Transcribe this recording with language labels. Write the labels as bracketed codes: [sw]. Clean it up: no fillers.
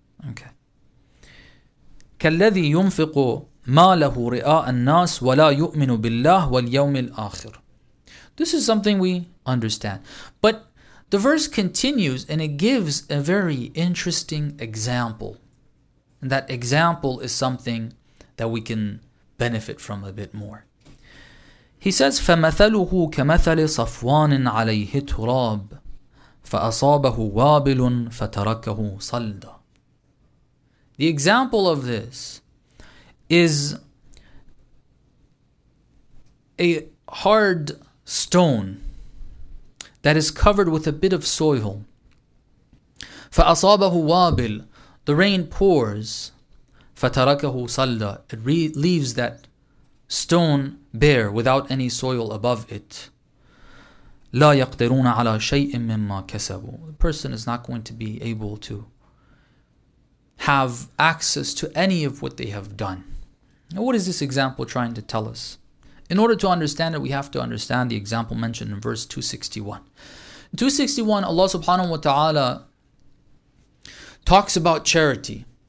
[ar] Okay. كَالَّذِي يُنفِقُ مَالَهُ رِئَاءَ النَّاسِ وَلَا يُؤْمِنُ بِاللَّهِ وَالْيَوْمِ الْآخِرِ. [en] This is something we understand. But the verse continues and it gives a very interesting example. And that example is something that we can benefit from a bit more. He says, [ar] فَمَثَلُهُ كَمَثَلِ صَفْوَانٍ عَلَيْهِ تُرَابٍ فَأَصَابَهُ وَابِلٌ فَتَرَكَهُ صَلْدًا. [en] The example of this is a hard stone that is covered with a bit of soil. [ar] فَأَصَابَهُ وَابِلٌ. [en] The rain pours. [ar] فَتَرَكَهُ صَلْدًا. [en] It leaves that stone bare without any soil above it. [ar] لا يقدرون على شيء مما كسبوا. [en] The person is not going to be able to have access to any of what they have done. Now, what is this example trying to tell us? In order to understand it, we have to understand the example mentioned in verse 261. In 261, Allah subhanahu wa ta'ala talks about charity.